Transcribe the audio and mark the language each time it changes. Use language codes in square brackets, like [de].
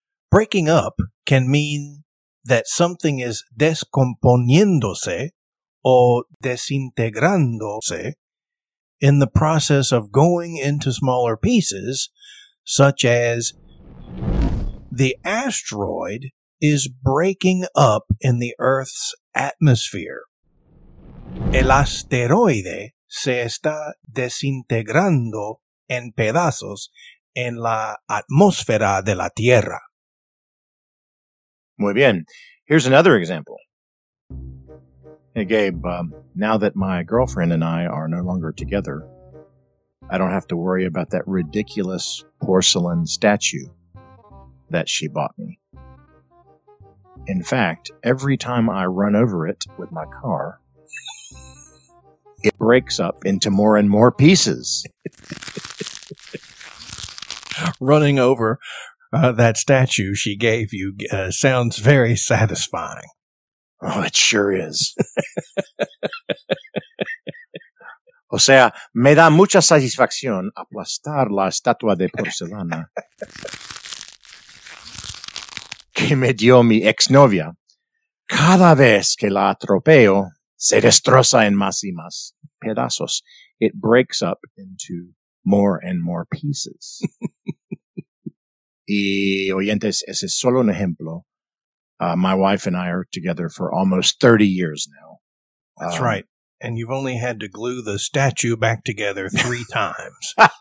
[en] Breaking up can mean that something is [es] descomponiéndose o desintegrándose [en] in the process of going into smaller pieces, such as the asteroid is breaking up in the Earth's atmosphere. [es] El asteroide se está desintegrando en pedazos en la atmósfera de la Tierra. Muy bien. [en] Here's another example. Hey, Gabe, now that my girlfriend and I are no longer together, I don't have to worry about that ridiculous porcelain statue that she bought me. In fact, every time I run over it with my car, it breaks up into more and more pieces. Running over that statue she gave you sounds very satisfying. Oh, it sure is. [es] O sea, me da mucha satisfacción aplastar la estatua de porcelana que me dio mi exnovia. Cada vez que la atropello, se destroza en más y más pedazos. [en] It breaks up into more and more pieces. [es] Y oyentes, ese es solo un ejemplo. [en] My wife and I are together for almost 30 years now. That's right. And you've only had to glue the statue back together 3 times.